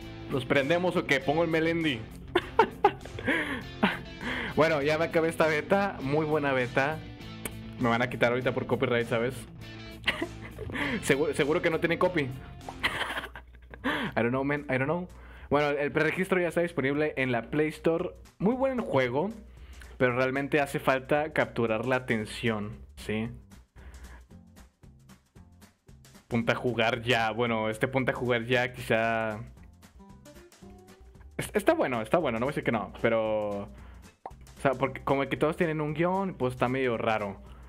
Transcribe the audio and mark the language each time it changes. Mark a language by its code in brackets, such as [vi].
[es] ¿Nos prendemos o qué? Pongo el Melendi. Bueno, ya me acabé esta beta. Muy buena beta. Me van a quitar ahorita por copyright, ¿sabes? Seguro, seguro que no tiene copy. [en] I don't know, man. I don't know. [es] Bueno, el preregistro ya está disponible en la Play Store. Muy buen juego. Pero realmente hace falta capturar la atención, ¿sí? Ponte a jugar ya. Bueno, ponte a jugar ya quizá... Está bueno, está bueno. No voy a decir que no, pero... O sea, porque como que todos tienen un guión, pues está medio raro.